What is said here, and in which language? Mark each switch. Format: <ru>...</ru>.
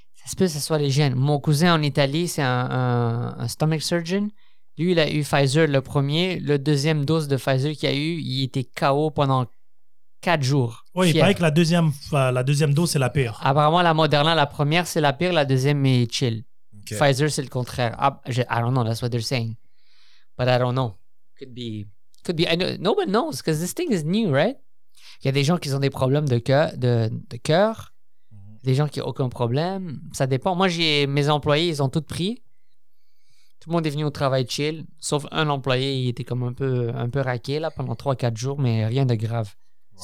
<fr>Ça se peut que ce soit les jeunes. Mon cousin en Italie, c'est un</fr> <en>stomach surgeon.</en> <fr>Lui, il a eu Pfizer le premier. Le deuxième dose de Pfizer qu'il a eu, il était KO pendant 4 jours. Oui, il paraît que la deuxième dose, c'est la pire. Apparemment, la Moderna, la première, c'est la pire. La deuxième est chill. Okay. Pfizer, c'est le contraire.</fr> <en>I don't know. That's what they're saying. But I don't know. Could be. Nobody knows because this thing is new, right?</en> <fr>Il y a des gens qui ont des problèmes de cœur. Des gens qui n'ont aucun problème. Ça dépend. Moi, mes employés, ils ont tous pris. Tout le monde est venu au travail chill, sauf un employé, il était comme un peu raqué là, pendant 3-4 jours, mais rien de grave. Wow.</fr>